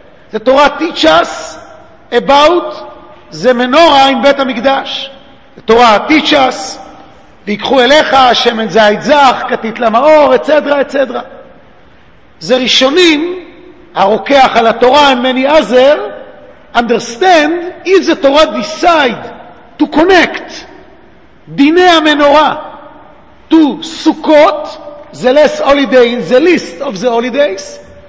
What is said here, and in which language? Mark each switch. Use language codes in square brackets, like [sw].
[en] The Torah teach us about the menorah in Bet HaMikdash. The Torah teaches [he] ויקחו אליך שמן זית זך כתית למאור etc etc. זה ראשונים הרוקח על התורה [en] and many other understand if the Torah decide to connect [he] דיני המנורה [en] to סוכות, the last holiday in the list of the holidays.